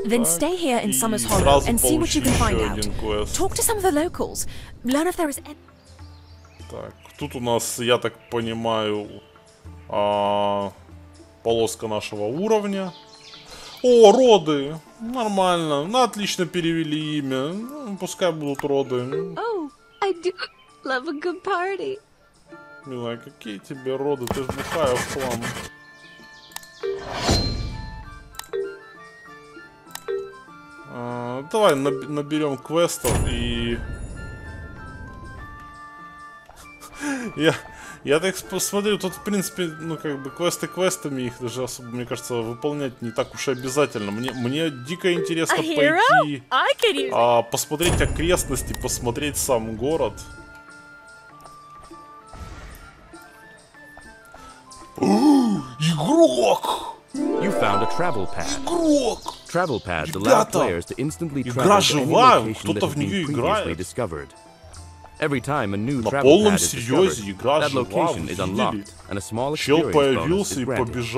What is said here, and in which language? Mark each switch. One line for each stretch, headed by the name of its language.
English: Then stay here in Summer's Hollow and see what you can find out. Talk to some of the locals. Learn if there is.
Russian: Так, тут у нас, я так понимаю, полоска нашего уровня. О, роды! Нормально. Ну, отлично перевели имя. Ну, пускай будут роды.
English: Oh, I do love a good party.
Russian: Милая, какие тебе роды? Ты ж бухаю в хлам. Давай наберем квестов и... Я так посмотрю, тут в принципе, ну как бы, квесты квестами, их даже особо, мне кажется, выполнять не так уж и обязательно. Мне дико интересно пойти, посмотреть окрестности, посмотреть сам город. Игрок!
English: You found a travel pad. Игрок! Travel pad allows players to instantly travel.
Russian: Игра жива, кто-то в нее играет.
English: Every time a new travel pad is discovered, that location is unlocked, and a small experience bonus is granted.